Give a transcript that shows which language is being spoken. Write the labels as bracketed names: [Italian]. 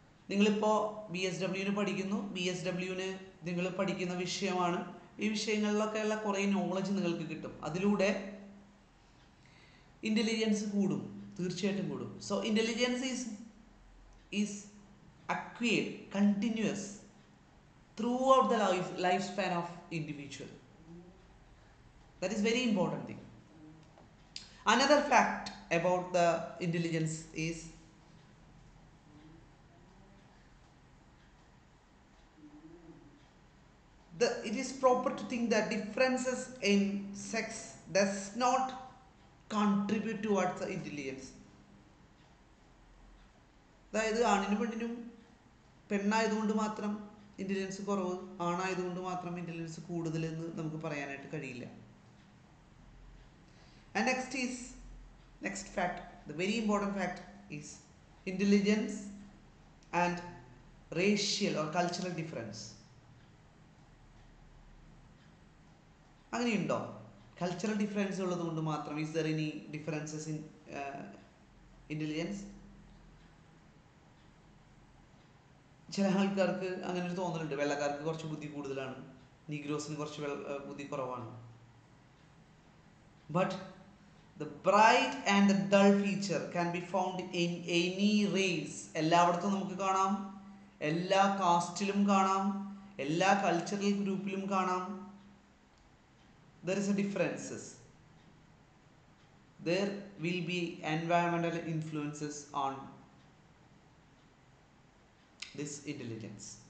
[Malayalam] നിങ്ങളിപ്പോ B S ഡബ്ല്യുവിന് പഠിക്കുന്നു, B S ഡബ്ല്യുവിന് നിങ്ങൾ പഠിക്കുന്ന വിഷയമാണ്, ഈ വിഷയങ്ങളിലൊക്കെയുള്ള കുറേ നോളജ് നിങ്ങൾക്ക് കിട്ടും, അതിലൂടെ ഇൻ്റലിജൻസ് കൂടും, തീർച്ചയായിട്ടും കൂടും. [English] So intelligence is acquired continuous throughout the life span of individual. That is very important thing another fact about the intelligence is it is proper to think that differences in sex does not contribute towards the intelligence. [Malayalam] അതായത് ആണിനും പെണ്ണിനും പെണ്ണായതുകൊണ്ട് മാത്രം intelligence കുറവ്, ആണായതുകൊണ്ട് മാത്രം intelligence കൂടുതലെന്ന് നമുക്ക് പറയാനായിട്ട് കഴിയില്ല. [English] And next is, next fact, the very important fact is intelligence and racial or cultural difference. [Malayalam] അങ്ങനെയുണ്ടോ? [English] cultural difference [Malayalam] ഉള്ളത് കൊണ്ട് മാത്രം [English] Is there any differences in intelligence? [Malayalam] ചില ആൾക്കാർക്ക് അങ്ങനെ ഒരു തോന്നലുണ്ട്, വെള്ളക്കാർക്ക് കുറച്ച് ബുദ്ധി കൂടുതലാണ്, നീഗ്രോസിന് കുറച്ച് ബുദ്ധി കുറവാണ്. [English] But the bright and the dull feature can be found in any race. [Malayalam] എല്ലായിടത്തും നമുക്ക് കാണാം, എല്ലാ കാസ്റ്റിലും കാണാം, എല്ലാ കൾച്ചറൽ ഗ്രൂപ്പിലും കാണാം. [English] There is a differences. There will be environmental influences on this intelligence.